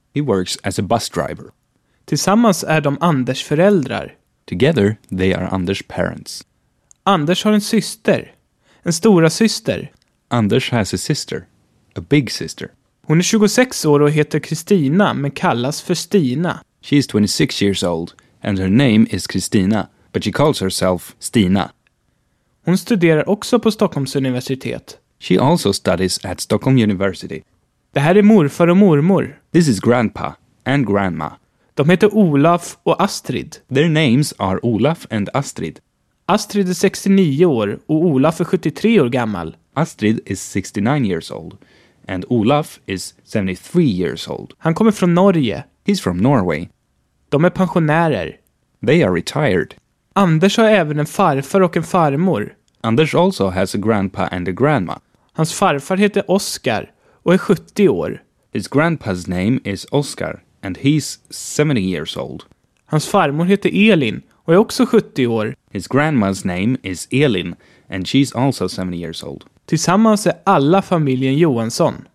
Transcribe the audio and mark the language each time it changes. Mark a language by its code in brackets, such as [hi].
[en] He works as a bus driver. [sv] Tillsammans är de Anders föräldrar. [en] Together they are Anders parents. [sv] Anders har en syster. En stora syster. [en] Anders has a sister. A big sister. [sv] Hon är 26 år och heter Kristina men kallas för Stina. [en] She is 26 years old and her name is Kristina, but she calls herself Stina. [sv] Hon studerar också på Stockholms universitet. [en] She also studies at Stockholm University. [sv] Det här är morfar och mormor. [en] This is grandpa and grandma. [sv] De heter Olaf och Astrid. [en] Their names are Olaf and Astrid. [sv] Astrid är 69 år och Olaf är 73 år gammal. [en] Astrid is 69 years old and Olaf is 73 years old. [sv] Han kommer från Norge. [en] He's from Norway. [sv] De är pensionärer. [en] They are retired. [sv] Anders har även en farfar och en farmor. [en] Anders also has a grandpa and a grandma. [sv] Hans farfar heter Oskar och är 70 år. [en] His grandpa's name is Oskar. And he's 70 years old. [sv] Hans farmor heter Elin och är också 70 år. [en] His grandma's name is Elin and she's also 70 years old. [sv] Tillsammans är alla familjen Johansson.